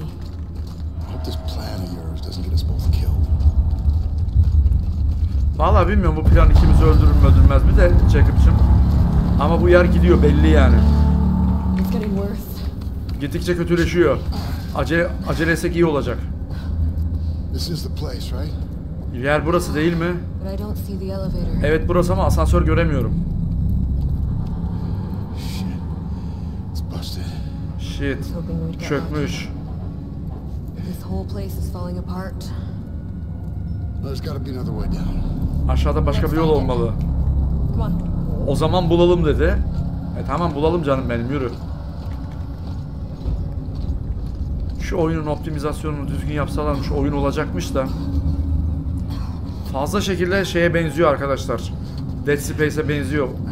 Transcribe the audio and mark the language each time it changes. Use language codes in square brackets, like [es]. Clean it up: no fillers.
[en] I hope this plan of yours doesn't get us both killed. [tr] Vallahi bilmiyorum bu plan ikimizi öldürür mü öldürmez mi de Jacob'cığım. Ama bu yer gidiyor belli yani. [en] It's getting worse. [tr] Gittikçe kötüleşiyor. Acele etsek iyi olacak. [en] This is the place, right? [tr] Yer burası değil mi? [en] But I don't see the elevator. [tr] Evet burası ama asansör göremiyorum. [en] Shit. It's busted. Shit. [tr] Çökmüş. [en] This whole place is falling apart. There's gotta be another way down. [tr] Aşağıda başka bir yol olmalı. O zaman bulalım dedi. Tamam bulalım canım benim, yürü. Şu oyunun optimizasyonunu düzgün yapsalarmış oyun olacakmış da. Fazla şekilde şeye benziyor arkadaşlar. Dead Space'e benziyor.